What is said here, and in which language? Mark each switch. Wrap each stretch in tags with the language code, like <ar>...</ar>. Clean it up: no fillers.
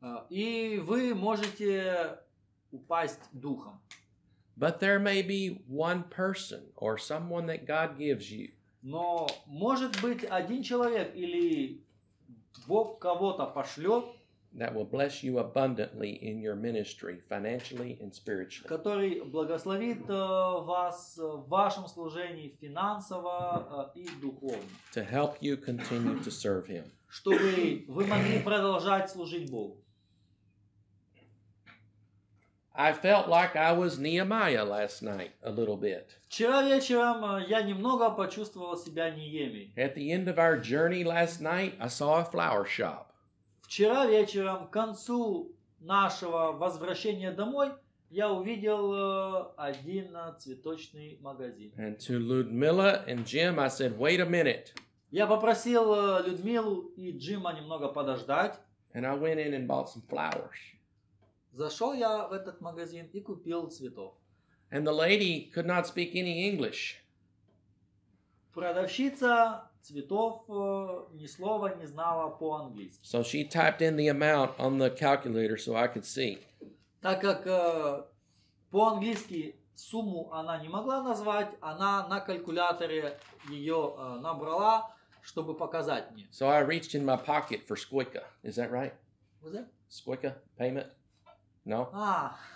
<ru>И вы можете упасть духом.</ru> <en>But there may be one person or someone that God gives you.</en> <ru>Но может быть один человек или Бог кого-то пошлет,</ru> <en>that will bless you abundantly in your ministry, financially and spiritually.</en> <ru>Который благословит вас в вашем служении финансово и духовно.</ru> <en>To help you continue to serve Him.</en> <ru>Чтобы вы могли продолжать служить Богу.</ru> <en>I felt like I was Nehemiah last night a little bit.</en> <ru>Вчера вечером я немного почувствовал себя Неемией.</ru> <en>At the end of our journey last night, I saw a flower shop.</en> <ru>Вчера вечером, к концу нашего возвращения домой, я увидел один цветочный магазин.</ru> <en>And to Людмила and Jim, I said, "Wait a minute."</en> <ru>Я попросил Людмилу и Джима немного подождать.</ru> <en>And I went in and bought some flowers.</en> <ru>Зашел я в этот магазин и купил цветов.</ru> <en>And the lady could not speak any English.</en> <ru>Продавщица цветов ни слова не знала по-английски.</ru> <en>So she typed in the amount on the calculator so I could see.</en> <ru>Так как по-английски сумму она не могла назвать, она на калькуляторе ее набрала, чтобы показать мне.</ru> <en>So I reached in my pocket for сколько. Is that right? Was it? Сколько? Payment? No.</en>